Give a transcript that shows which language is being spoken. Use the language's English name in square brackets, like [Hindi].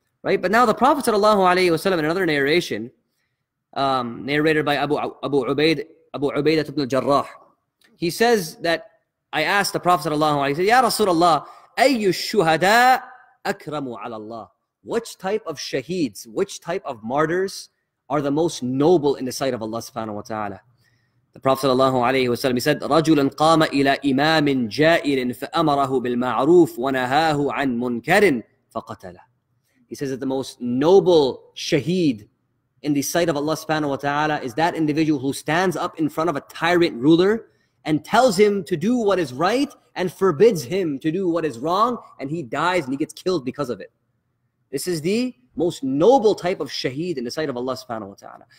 [English] Right? But now the Prophet sallallahu alayhi wa sallam, in another narration, narrated by Abu Ubaidah ibn al-Jarrah, he says that, I asked the Prophet sallallahu alayhi wa sallam, Ya Rasulullah, ayyu shuhada akramu ala Allah. Which type of shaheeds, which type of martyrs are the most noble in the sight of Allah subhanahu wa ta'ala? [Arabic] The Prophet sallallahu alayhi wa sallam, he said, رَجُلٌ قَامَ إِلَىٰ إِمَامٍ جَائِلٍ فَأَمَرَهُ بِالْمَعْرُوفِ وَنَهَاهُ عَنْ مُنْكَرٍ فَقَتَلَهُ. [English] He says that the most noble shaheed in the sight of Allah subhanahu wa ta'ala is that individual who stands up in front of a tyrant ruler and tells him to do what is right and forbids him to do what is wrong, and he dies and he gets killed because of it. This is the most noble type of shaheed in the sight of Allah subhanahu wa ta'ala.